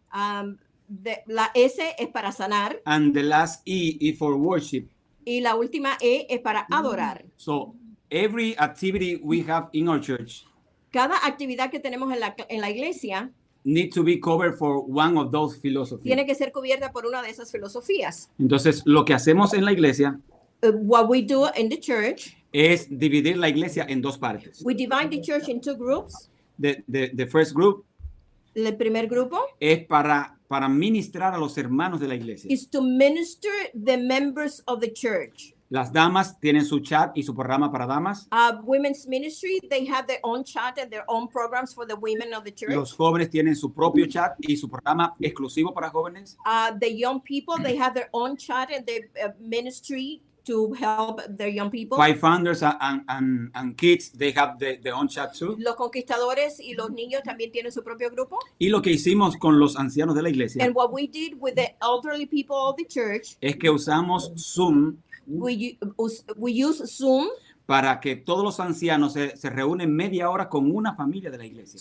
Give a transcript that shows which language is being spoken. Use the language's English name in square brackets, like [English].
[Spanish] La S es para sanar. [English] And the last E is for worship. [Spanish] Y la última E es para adorar. [English] So every activity we have in our church. [Spanish] Cada actividad que tenemos en la iglesia. [English] Need to be covered for one of those philosophies. [Spanish] Tiene que ser cubierta por una de esas filosofías. Entonces lo que hacemos en la iglesia. [English] What we do in the church. [Spanish] Es dividir la iglesia en dos partes. [English] We divide the church in two groups. The first group. [Spanish] El primer grupo. Es para ministrar a los hermanos de la iglesia. [English] Is to minister the members of the church. [Spanish] Las damas tienen su chat y su programa para damas. [English] Women's ministry, they have their own chat and their own programs for the women of the church. [Spanish] Los jóvenes tienen su propio chat y su programa exclusivo para jóvenes. [English] The young people, they have their own chat and their ministry to help their young people. Five founders and kids, they have their own chat too. [Spanish] Los conquistadores y los niños también tienen su propio grupo. Y lo que hicimos con los ancianos de la iglesia. [English] And what we did with the elderly people of the church. [Spanish] Es que usamos Zoom. [English] We use Zoom. [Spanish] Para que todos los ancianos se reúnen media hora con una familia de la iglesia.